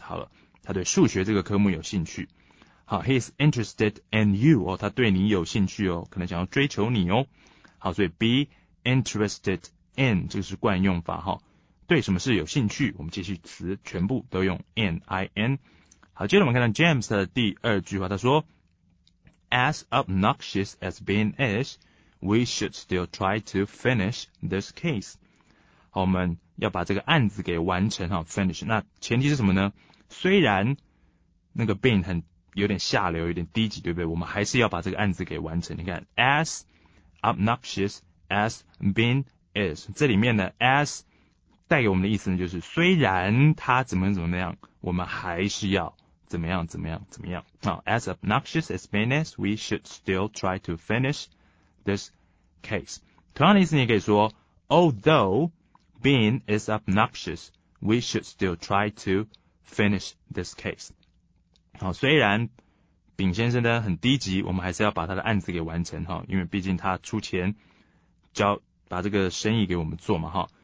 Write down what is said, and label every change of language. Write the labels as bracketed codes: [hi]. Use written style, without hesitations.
[zh] 好了，他对数学这个科目有兴趣。好 ， [en] He is interested in you [zh] 哦，他对你有兴趣哦，可能想要追求你哦。好，所以 [en] be interested in [zh] 这个是惯用法哈、哦。对什么事有兴趣，我们介系词全部都用 in in。好，接着我们看到 James 的第二句话，他说。 [en] As obnoxious as Ben is, we should still try to finish this case. [zh] 好，我们要把这个案子给完成哈 ， [en] finish。 [zh] 那前提是什么呢？虽然那个 Ben 很有点下流，有点低级，对不对？我们还是要把这个案子给完成。你看 ， [en] as obnoxious as Ben is， [zh] 这里面呢 ，as 带给我们的意思呢，就是虽然他怎么样，我们还是要。怎么样？ [en] 好 ，as obnoxious as Ben is, we should still try to finish this case. [zh] 同样的意思，你也可以说 [en] ，although Ben is obnoxious, we should still try to finish this case. [zh] 好，虽然丙先生呢很低级，我们还是要把他的案子给完成哈，因为毕竟他出钱交把这个生意给我们做嘛哈。